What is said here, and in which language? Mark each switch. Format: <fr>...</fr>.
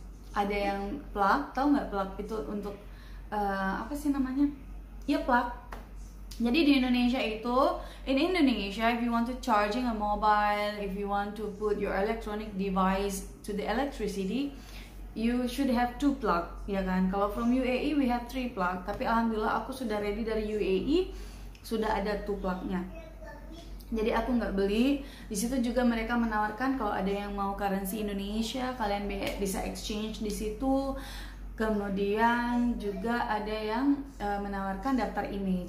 <id>Ada yang plug, tahu enggak plug itu untuk apa sih namanya? Ya plug. Jadi di Indonesia itu,</id> <en>in Indonesia, if you want to charging a mobile, if you want to put your electronic device to the electricity, you should have two plug,</en> <id>ya kan?</id> <en>Kalau from UAE, we have three plug.</en> <id>Tapi alhamdulillah aku sudah ready dari UAE, sudah ada two plugnya. Jadi aku nggak beli. Di situ juga mereka menawarkan kalau ada yang mau currency Indonesia, kalian bisa exchange di situ. Kemudian juga ada yang menawarkan daftar IMEI.</id>